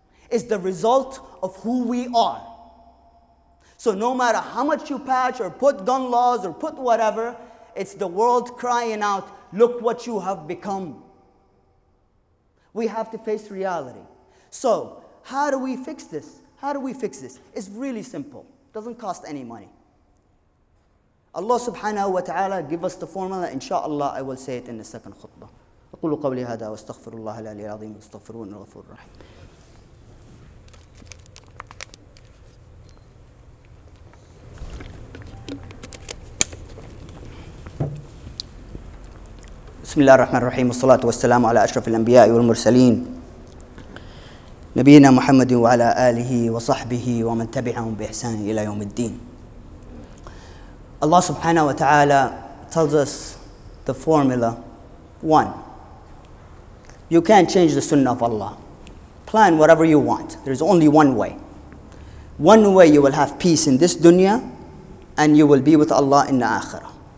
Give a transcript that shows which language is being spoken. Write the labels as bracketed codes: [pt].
[en] It's the result of who we are. So no matter how much you patch or put gun laws or put whatever, it's the world crying out, look what you have become. We have to face reality. So, how do we fix this? How do we fix this? It's really simple. It doesn't cost any money. Allah subhanahu wa ta'ala give us the formula. Inshallah, I will say it in the second khutbah. [ar] أقول قولي هذا واستغفر الله العلي العظيم استغفرون الغفور الرحيم. بسم الله الرحمن الرحيم والصلاة والسلام على أشرف الأنبياء والمرسلين نبينا محمد وعلى آله وصحبه ومن تبعهم بإحسان إلى يوم الدين. الله سبحانه وتعالى [en] tells us the formula. One, you can't change the sunnah of Allah. Plan whatever you want. There's only one way. One way you will have peace in this dunya, and you will be with Allah in the akhirah.